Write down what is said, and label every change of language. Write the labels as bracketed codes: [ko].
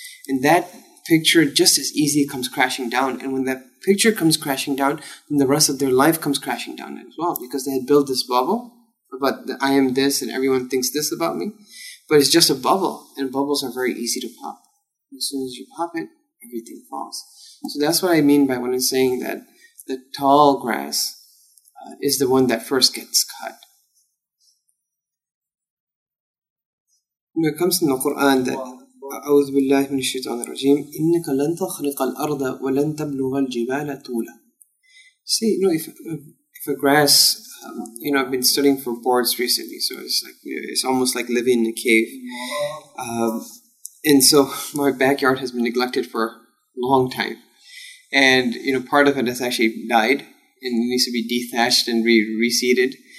[en] And that picture just as easily comes crashing down. And when that picture comes crashing down, then the rest of their life comes crashing down as well, because they had built this bubble about the I am this and everyone thinks this about me. But it's just a bubble, and bubbles are very easy to pop. And as soon as you pop it, everything falls. So that's what I mean by when I'm saying that the tall grass is the one that first gets cut. When it comes in the Quran that [ar] أعوذ بالله من الشيطان الرجيم إنك لن تخرق الأرض ولن تبلغ الجبال طولا. [en] See, you know, if a grass, I've been studying for boards recently, so it's like, it's almost like living in a cave. And so my backyard has been neglected for a long time. And, you know, part of it has actually died and needs to be dethatched and reseeded.